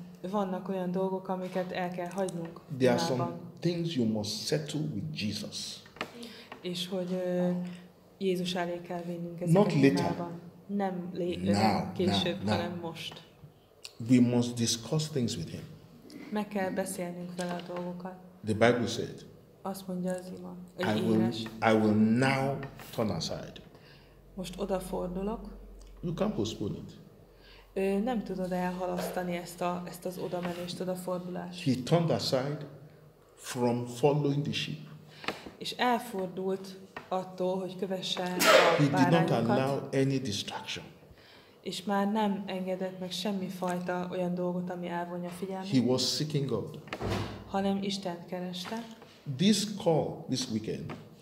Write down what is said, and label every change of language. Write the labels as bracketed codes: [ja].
[hu] Vannak olyan dolgok, amiket el kell hagynunk. [en] There are some things you must settle with Jesus. [hu] És hogy Jézus elé kell vinnünk ezeket. [en] Not later. [hu] Nem [en] now, [hu] később, [en] now, [hu] hanem most. [en] We must discuss things with him. [hu] Meg kell beszélnünk vele a dolgokat. [en] The Bible said, [hu] azt mondja az ima, [en] I will now turn aside. [hu] Most odafordulok. [en] You can't postpone it. [hu] Nem tudod elhalasztani ezt a, ezt az odamenést, odafordulást. [en] He turned aside from following the sheep. [hu] És elfordult attól, hogy kövesse a bárányokat. [en] He did not allow any distraction. [hu] És már nem engedett meg semmi fajta olyan dolgot, ami elvonja figyelmét. [en] He was seeking God. [hu] Hanem Istent kereste. [en] This call this weekend.